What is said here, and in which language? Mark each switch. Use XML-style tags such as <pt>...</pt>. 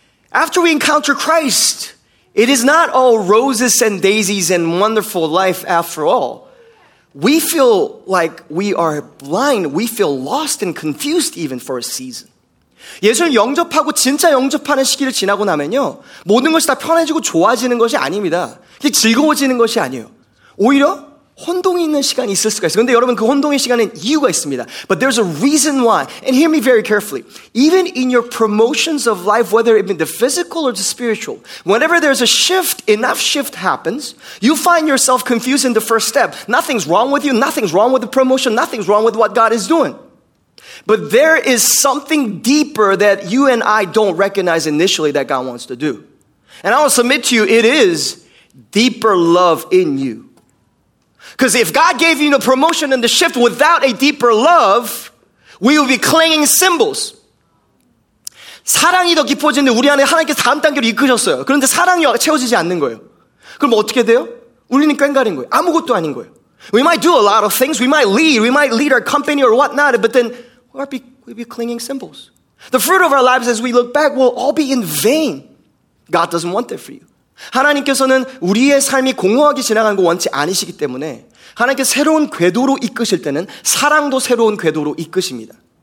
<en>After we encounter Christ, it is not all roses and daisies and wonderful life after all. We feel like we are blind. We feel lost and confused even for a season.</en> <ko>예수님 영접하고 진짜 영접하는 시기를 지나고 나면요. 모든 것이 다 편해지고 좋아지는 것이 아닙니다. 그게 즐거워지는 것이 아니에요. 오히려 혼동이 있는 시간이 있을 수가 있어요. 근데 여러분 그 혼동의 시간은 이유가 있습니다.</ko> <en>But there's a reason why. And hear me very carefully. Even in your promotions of life, whether it be the physical or the spiritual, whenever there's a shift, enough shift happens, you find yourself confused in the first step. Nothing's wrong with you. Nothing's wrong with the promotion. Nothing's wrong with what God is doing. But there is something deeper that you and I don't recognize initially that God wants to do. And I will submit to you, it is deeper love in you. Because if God gave you the promotion and the shift without a deeper love, we will be clanging cymbals.</en> <ko>사랑이 더 깊어지는데 우리 안에 하나님께 다음 단계로 이끄셨어요. 그런데 사랑이 채워지지 않는 거예요. 그럼 어떻게 돼요? 우리는 꽹가린 거예요. 아무것도 아닌 거예요.</ko> <en>We might do a lot of things. We might lead our company or whatnot. But then we'll be clinging cymbals. The fruit of our lives as we look back will all be in vain. God doesn't want that for you.</en> <ko>하나님께서는 우리의 삶이 공허하게 지나가는 거 원치 않으시기 때문에 하나님께 새로운 궤도로 이끄실 때는 사랑도 새로운 궤도로 이끄십니다.</ko>